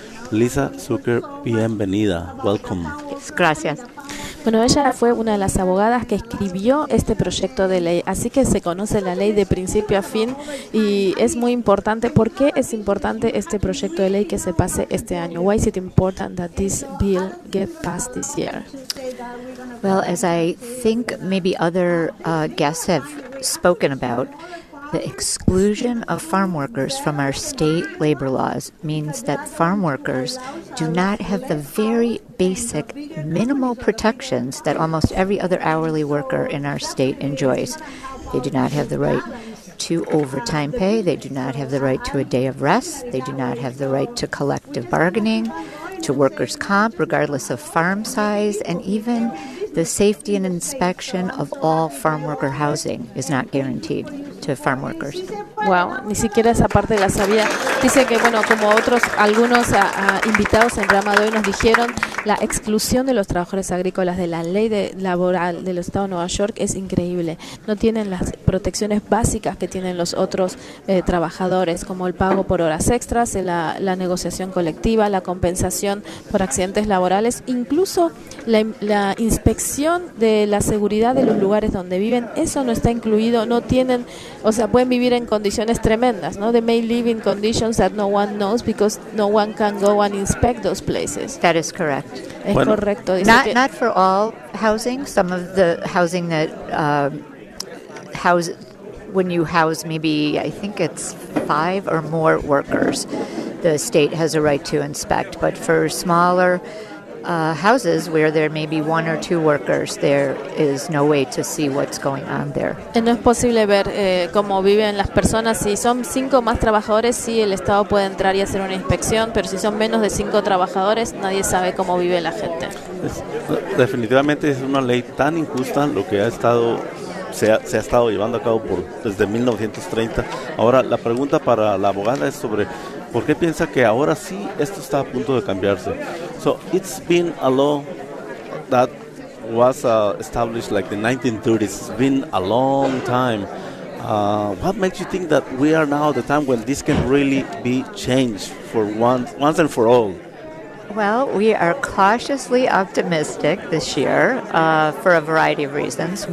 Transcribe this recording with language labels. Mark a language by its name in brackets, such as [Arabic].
[Spanish] Lisa Zucker, bienvenida. [English] Welcome. [Spanish] Gracias. Bueno, ella fue una de las abogadas que escribió este proyecto de ley, así que se conoce la ley de principio a fin y es muy importante. ¿Por qué es importante este proyecto de ley que se pase este año? [English] Why is it important that this bill get passed this year? Well, as I think maybe other guests have spoken about, the exclusion of farm workers from our state labor laws means that farm workers do not have the very basic minimal protections that almost every other hourly worker in our state enjoys. They do not have the right to overtime pay. They do not have the right to a day of rest. They do not have the right to collective bargaining, to workers' comp, regardless of farm size, and even the safety and inspection of all farm worker housing is not guaranteed to farm workers. [Spanish] Wow, ni siquiera esa parte la sabía. Dice que, bueno, como otros, algunos invitados en programa de hoy nos dijeron, la exclusión de los trabajadores agrícolas de la ley laboral del Estado de Nueva York es increíble. No tienen las protecciones básicas que tienen los otros trabajadores, como el pago por horas extras, la negociación colectiva, la compensación por accidentes laborales, incluso la inspección de la seguridad de los lugares donde viven. Eso no está incluido, no tienen, o sea, pueden vivir en condiciones tremendas, ¿no? [English] They may live in conditions that no one knows because no one can go and inspect those places. That is correct. [Spanish] Es bueno, correcto. [English] Not for all housing. Some of the housing that house, when you house maybe, I think it's 5 or more workers, the state has a right to inspect. But for smaller houses where there may be 1 or 2 workers, there is no way to see what's going on there. [Spanish] No es posible ver cómo viven las personas. Si son 5 más trabajadores, sí, el Estado puede entrar y hacer una inspección, pero si son menos de 5 trabajadores, nadie sabe cómo vive la gente. Definitivamente es una ley tan injusta lo que se ha estado llevando a cabo desde 1930. Ahora, la pregunta para la abogada es sobre, ¿por qué piensa que ahora sí esto está a punto de cambiarse? [English] So it's been a law that was established like the 1930s. It's been a long time. What makes you think that we are now at the time when this can really be changed for once and for all? Well, we are cautiously optimistic this year for a variety of reasons.